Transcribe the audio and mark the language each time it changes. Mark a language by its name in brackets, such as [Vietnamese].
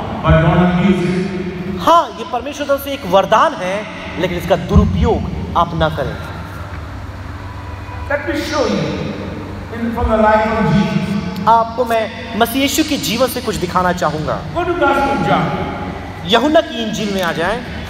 [Hindi] हाँ, ये परमेश्वर से एक वरदान है लेकिन इसका दुरुपयोग आप ना करें। [English] Let me show you in from the life of Jesus. [Hindi] आपको मैं मसीह यीशु के जीवन से कुछ दिखाना चाहूंगा। [English] Go to Gospel of John. [Hindi] यूहन्ना की इंजील में आ जाए।